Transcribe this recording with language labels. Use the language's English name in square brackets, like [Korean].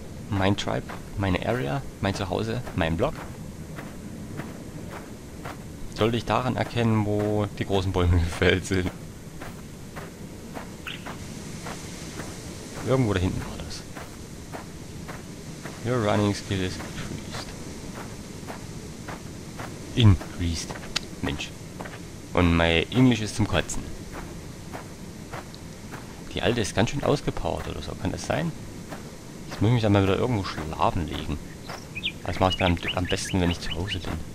[German] Mein Tribe, meine Area, mein Zuhause, mein Block. Sollte ich daran erkennen, wo die großen Bäume gefällt sind. Irgendwo da hinten war das. [English] Your running skill is increased. Increased. [German] Mensch. Und mein Englisch ist zum Kotzen. Die alte ist ganz schön ausgepowert oder so. Kann das sein? Jetzt muss ich mich dann mal wieder irgendwo schlafen legen. Das mache ich dann am besten, wenn ich zu Hause bin.